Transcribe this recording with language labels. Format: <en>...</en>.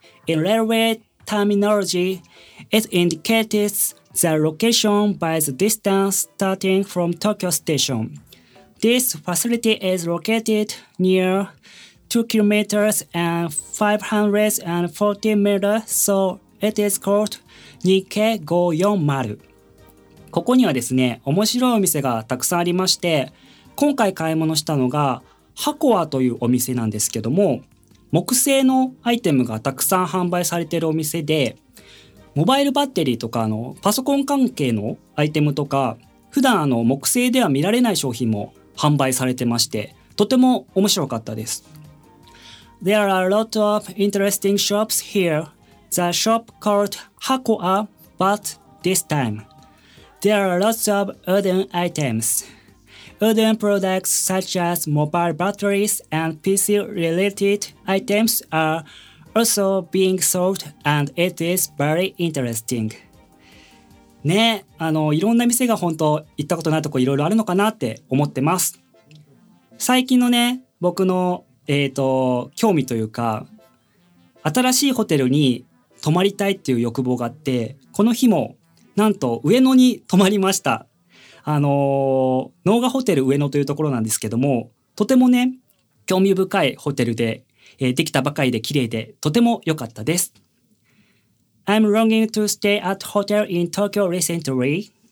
<en>In railway terminology, it indicates the location by the distance starting from Tokyo Station. This facility is located near 2 kilometers and 540 meters, so it is called 2K540.</en> <ja>ここにはですね、面白いお店がたくさんありまして、今回買い物したのが、ハコアというお店なんですけども、木製のアイテムがたくさん販売されているお店で、モバイルバッテリーとか、パソコン関係のアイテムとか、普段木製では見られない商品も販売されてまして、とても面白かったです。</ja> <en>There are a lot of interesting shops here. The shop called Hakoa, but this time, there are lots of wooden items. Wooden products such as mobile batteries and PC-related items are also being sold, and it is very interesting.</en> <ja>ね、いろんな店が本当行ったことないとこいろいろあるのかなって思ってます。最近のね、僕の興味というか、新しいホテルに泊まりたいっていう欲望があって、この日もなんと上野に泊まりました。ノーガホテル上野というところなんですけども、とてもね興味深いホテルで、できたばかりで綺麗でとても良かったです。</ja> <en>I'm longing to stay at hotel in Tokyo recently.</en>